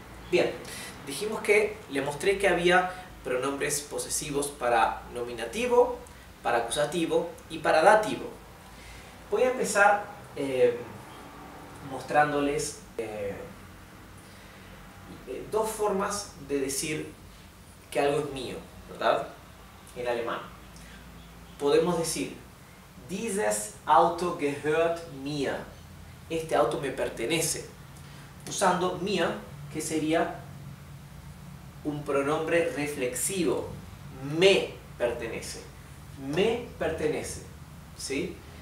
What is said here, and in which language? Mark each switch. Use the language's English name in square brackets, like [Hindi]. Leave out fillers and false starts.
[Spanish] Bien, dijimos que le mostré que había pronombres posesivos para nominativo, para acusativo y para dativo. Voy a empezar mostrándoles dos formas de decir que algo es mío, ¿verdad? En alemán. Podemos decir, [German] dieses Auto gehört mir. [Spanish] Este auto me pertenece. Usando mir, que sería un pronombre reflexivo. Me pertenece. Me pertenece. ¿Sí?